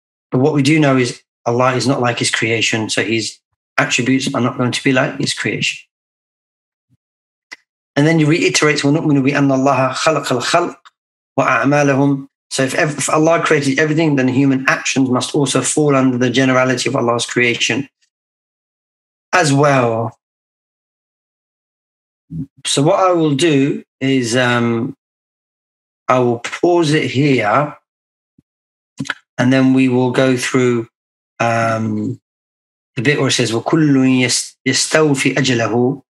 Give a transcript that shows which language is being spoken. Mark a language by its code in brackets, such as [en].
[en] But what we do know is Allah is not like his creation, so his attributes are not going to be like his creation. And then he reiterates, [ar] وَنُؤْمِنُ بِأَنَّ اللَّهَ خَلَقَ الْخَلْقِ وَأَعْمَالَهُمْ. [en] So if Allah created everything, then human actions must also fall under the generality of Allah's creation as well. So what I will do is I will pause it here, and then we will go through the bit where it says [ar] وَكُلٌّ يَسْتَوْفِ أَجْلَهُ.